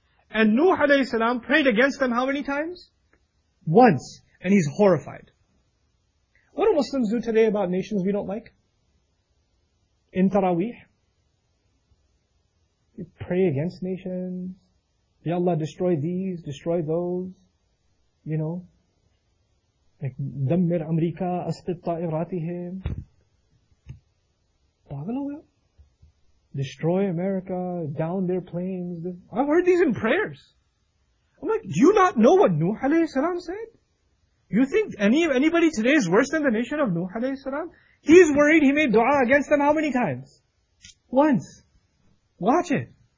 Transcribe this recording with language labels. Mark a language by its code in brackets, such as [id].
[en] And Nuh alayhi salam prayed against them how many times? Once. And he's horrified. What do Muslims do today about nations we don't like? In Taraweeh? You pray against nations. Ya Allah, destroy these, destroy those. You know? [ar] Like, دَمِّرْ أَمْرِيكَ أَسْقِطْ طَائِرَاتِهِمْ. [en] Destroy America, down their planes. I've heard these in prayers. I'm like, do you not know what Nuh alayhi salam said? You think anybody today is worse than the nation of Nuh alayhi salam? He's worried he made dua against them how many times? Once. Watch it.